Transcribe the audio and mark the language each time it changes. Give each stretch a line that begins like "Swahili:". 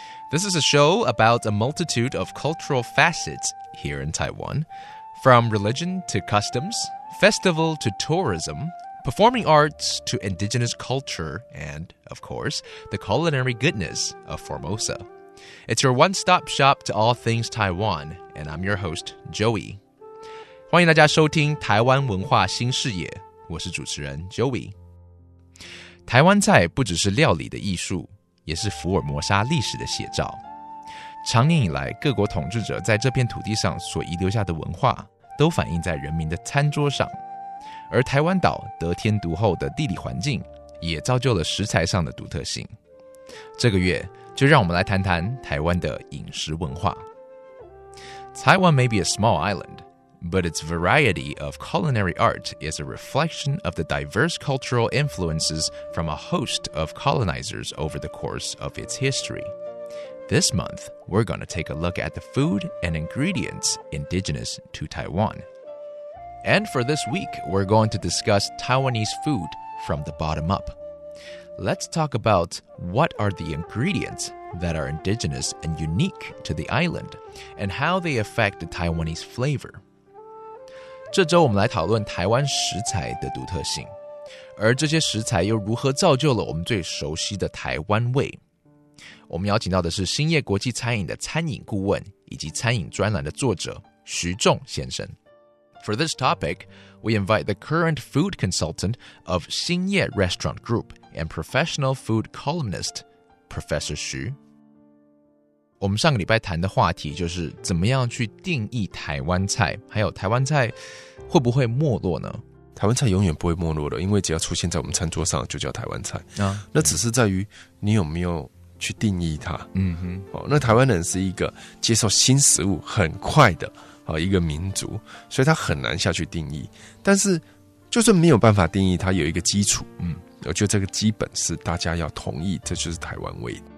English: This is a show about a multitude of cultural facets here in Taiwan, from religion to customs, festival to tourism, performing arts to indigenous culture, and, of course, the culinary goodness of Formosa. It's your one-stop shop to all things Taiwan, and I'm your host, Joey.
Chinese: 欢迎大家收听台湾文化新视野，我是主持人 Joey。台湾菜不只是料理的艺术，也是福尔摩沙历史的写照。长年以来，各国统治者在这片土地上所遗留下的文化，都反映在人民的餐桌上。而台湾岛得天独厚的地理环境，也造就了食材上的独特性。这个月，就让我们来谈谈台湾的饮食文化。
English: Taiwan may be a small island. But its variety of culinary art is a reflection of the diverse cultural influences from a host of colonizers over the course of its history. This month, we're going to take a look at the food and ingredients indigenous to Taiwan. And for this week, we're going to discuss Taiwanese food from the bottom up. Let's talk about what are the ingredients that are indigenous and unique to the island, and how they affect the Taiwanese flavor.
Chinese: 这周我们来讨论台湾食材的独特性，而这些食材又如何造就了我们最熟悉的台湾味。我们邀请到的是兴业国际餐饮的餐饮顾问以及餐饮专栏的作者徐仲先生。
English: For this topic, we invite the current food consultant of 兴业 Restaurant Group and professional food columnist, Professor 徐。
Chinese: 我们上个礼拜谈的话题就是怎么样去定义台湾菜，还有台湾菜会不会没落呢？台湾菜永远不会没落的，因为只要出现在我们餐桌上就叫台湾菜、啊、那只是在于你有没有去定义它、嗯哼哦、那台湾人是一个接受新食物很快的、哦、一个民族，所以它很难下去定义，但是就算没有办法定义它有一个基础、嗯、我觉得这个基本是大家要同意这就是台湾味。